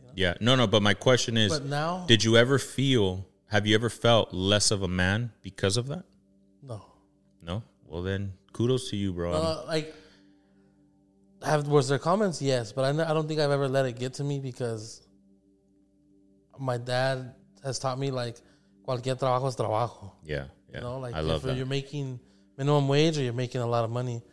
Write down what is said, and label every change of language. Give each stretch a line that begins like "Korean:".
English: You know? Yeah. No, but my question is, but now, did you ever feel, have you ever felt less of a man because of that? No. No? Well, then kudos to you, bro. Was there comments? Yes. But I don't think I've ever let it get to me, because my dad has taught me, like,
Spanish: cualquier trabajo es trabajo.
English: Yeah, yeah. You know, like, I love that. You're making minimum wage or you're making a lot of money.